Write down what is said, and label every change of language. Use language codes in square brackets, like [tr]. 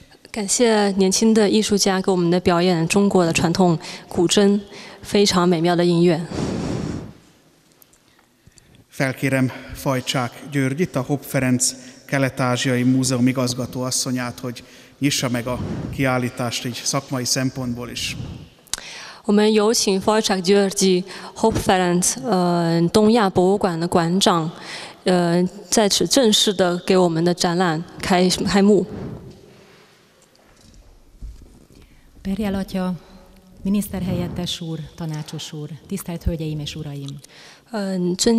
[hu] Köszönjük a fiatal művésznőnek, igazán csodálatos volt a kínai népzene. Felkérem Fajcsák Györgyit, a Hopp Ferenc Kelet-ázsiai Múzeum igazgató asszonyát, hogy nyissa meg a kiállítást egy szakmai szempontból is. [zh] 我们有请法尔查吉尔吉霍普弗兰东亚博物馆的馆长在此正式的给我们的展览开幕。 [hu] Perjel atya, miniszterhelyettes úr, tanácsos úr, tisztelt hölgyeim és uraim!